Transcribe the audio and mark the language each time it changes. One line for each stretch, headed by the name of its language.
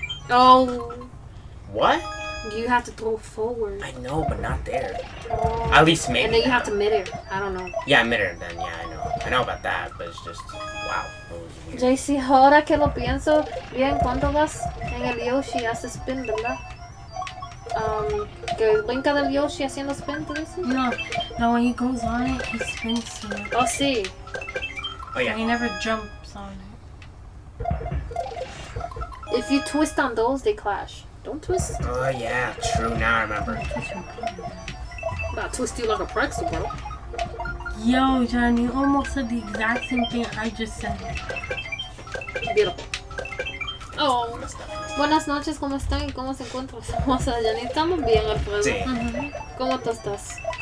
English: Oh. What? You have to throw forward. I know, but not there. At least maybe. And then you have to midair. I don't know. Yeah, midair then. Yeah, I know. I know about that, but it's just, wow.
Spanish: JC, ahora que lo pienso, bien, cuando vas en el Yoshi, hace spin, ¿verdad? Que brinca del Yoshi haciendo spin, ¿tú dices?
English: No, when he goes on it, he spins so much.
Spanish: Oh, sí.
English: Oh, yeah. And he never jumps on it. If you twist on those, they clash. Don't twist. Oh, yeah, true, now I remember. About to twist you like a pretzel, bro. Yo, John, you almost said the exact same thing I just said. Beautiful.
Spanish: Oh, buenas noches, ¿cómo están y cómo se encuentran? Somos allá, ni estamos bien, Alfredo. Sí. ¿Cómo tú estás?